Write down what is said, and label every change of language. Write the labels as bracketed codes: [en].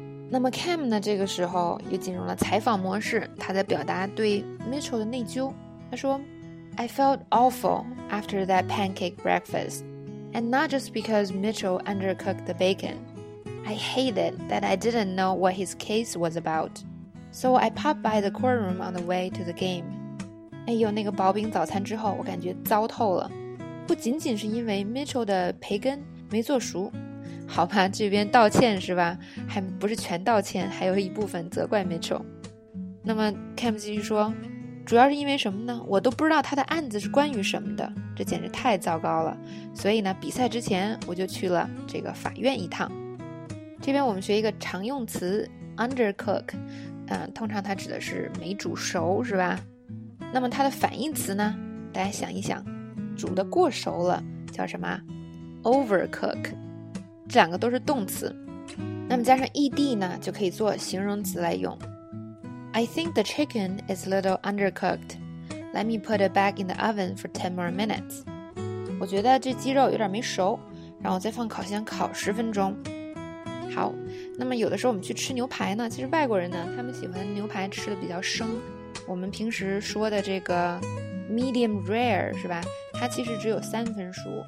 [zh] 那么 Cam 呢，这个时候又进入了采访模式，他在表达对 Mitchell 的内疚。他说 [en] I felt awful after that pancake breakfast, and not just because Mitchell undercooked the bacon. I hated that I didn't know what his case was about. So I popped by the courtroom on the way to the game. [zh] 哎呦，那个薄饼早餐之后我感觉糟透了，不仅仅是因为 Mitchell 的培根没做熟。好吧，这边道歉是吧，还不是全道歉，还有一部分责怪 Mitchell。那么 Cam 继续说，主要是因为什么呢，我都不知道他的案子是关于什么的，这简直太糟糕了，所以呢比赛之前我就去了这个法院一趟。这边我们学一个常用词 undercook、通常它指的是没煮熟是吧。那么它的反义词呢，大家想一想，煮得过熟了叫什么， overcook。这两个都是动词，那么加上 ed 呢就可以做形容词来用。 [en] I think the chicken is a little undercooked. Let me put it back in the oven for 10 more minutes. [zh] 我觉得这鸡肉有点没熟，让我再放烤箱烤十分钟。好，那么有的时候我们去吃牛排呢，其实外国人呢他们喜欢牛排吃的比较生，我们平时说的这个 medium rare 是吧，它其实只有三分熟。